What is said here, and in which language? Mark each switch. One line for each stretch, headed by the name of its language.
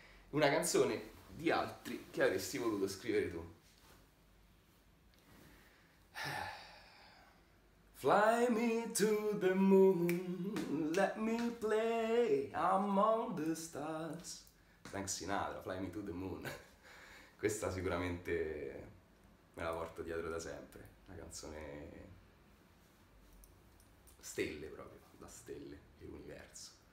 Italian: Una canzone di altri che avresti voluto scrivere tu.
English: Fly me to the moon, let me play among the stars. Frank Sinatra, Fly me to the moon.
Italian: Questa sicuramente me la porto dietro da sempre. Una canzone stelle proprio, da stelle e universo.